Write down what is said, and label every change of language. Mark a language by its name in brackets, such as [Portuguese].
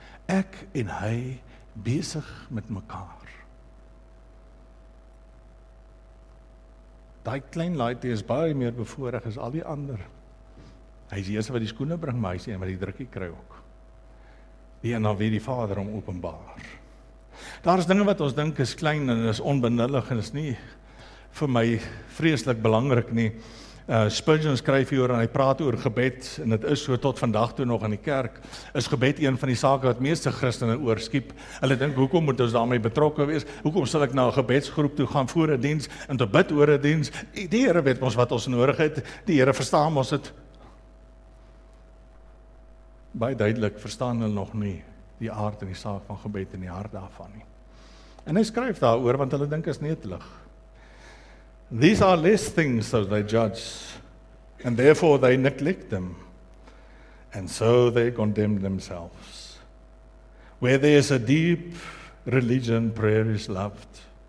[Afrikaans] Ek en hy besig met mekaar. Daai klein laaitjie is baie meer bevoorreg as al die ander. Hy is die eerste wat die skoene bring, maar hy is die een wat die drukkie kry ook. Die een aan wie die Vader hom openbaar. Daar is dinge wat ons dink is klein en is onbenullig en is nie vir my vreeslik belangrik nie. Spurgeon skryf hier oor en hy praat oor gebed en dit is so tot vandag toe nog in die kerk is gebed een van die sake wat meeste Christene oorskiep. Hulle dink, hoekom moet ons daarmee betrokke wees? Hoekom sal ek na 'n gebedsgroep toe gaan voor 'n diens en te bid oor 'n diens? Die Here weet ons wat ons nodig het. Die Here verstaan ons dit. Baie duidelik verstaan hulle nog nie die aard en die saak van gebed en die hart daarvan nie. En hy skryf daaroor want hulle dink is netelig. [English] These are less things that they judge, and therefore they neglect them, and so they condemn themselves. Where there is a deep religion, prayer is loved.